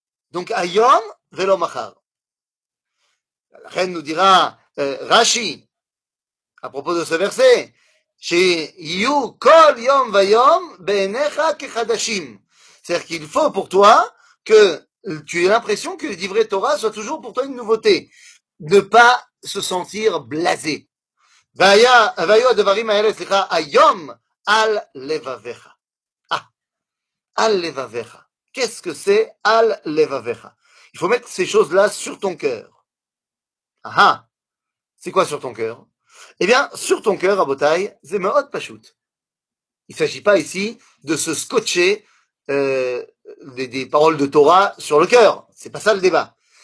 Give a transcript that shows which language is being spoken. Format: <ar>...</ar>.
<fr>Donc</fr> <he>ayom, velo machar.</he> <fr>La reine nous dira, Rashi, à propos de ce verset,</fr> <he>שיהיו כל יום ויום בעיניך כחדשים.</he> <fr>C'est-à-dire qu'il faut pour toi que tu aies l'impression que le livret Torah soit toujours pour toi une nouveauté. Ne pas se sentir blasé.</fr> <he>והיו הדברים האלה, סליחה, היום על לבביך. על לבביך.</he> <fr>Qu'est-ce que c'est</fr> <he>על לבביך?</he> <fr>Il faut mettre ces choses-là sur ton cœur. Aha! C'est quoi sur ton cœur? Eh bien, sur ton cœur, Rabotai, Zemeot Pashut. Il ne s'agit pas ici de se scotcher des paroles de Torah sur le cœur. Ce n'est pas ça le débat.</fr>